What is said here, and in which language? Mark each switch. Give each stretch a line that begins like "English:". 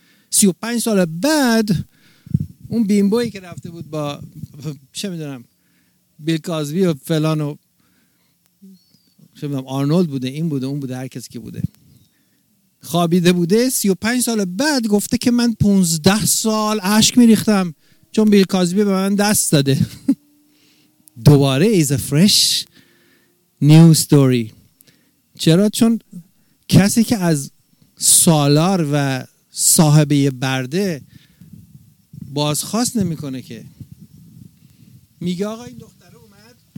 Persian: 35 سال بعد اون بیمبوی که رفته بود با چه میدونم بیل کازبی و فلان و چه میدونم آرنولد بوده، این بوده، اون بوده، هر کسی که بوده، خوابیده بوده، 35 سال بعد گفته که من 15 سال عشق میریختم چون بیل کازبی به من دست داده. دوباره
English: is a fresh new story.
Persian: چرا؟ چون کسی که از سالار و صاحبه برده بازخواست نمی کنه که میگه آقا این دختره اومد